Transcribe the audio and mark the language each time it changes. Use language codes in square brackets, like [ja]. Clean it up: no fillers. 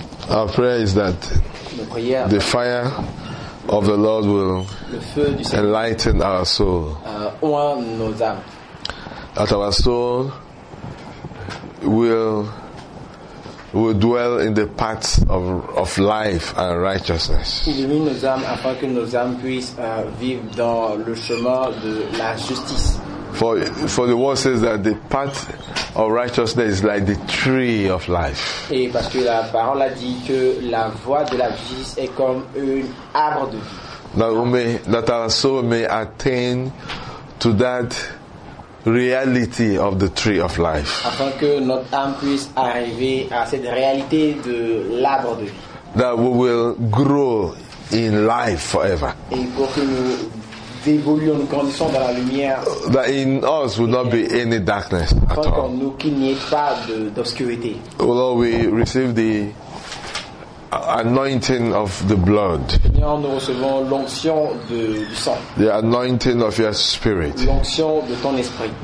[en] Our prayer is that the fire of the Lord will enlighten our soul. That our soul will dwell in the paths of life and righteousness. [fr] Illumine nos âmes afin que nos âmes puissent vivre dans le chemin de la justice. [en] For the word says that the path of righteousness is like the tree of life. [fr] Et parce que la parole a dit que la voie de la vie est comme un arbre de vie. [en] That our soul may attain to that reality of the tree of life. [fr] Afin que notre âme puisse arriver à cette réalité de l'arbre de vie. [en] That we will grow in life forever. [fr] Et pour que nous évoluions, nous grandissons dans la lumière. [en] That in us will not be any darkness at all. [fr] Afin qu'il n'y ait pas d'obscurité. [en] Oh Lord, we receive the anointing of the blood. [fr] Seigneur, nous recevons l'onction du sang. [en] The anointing of your spirit. [fr] L'onction de ton esprit.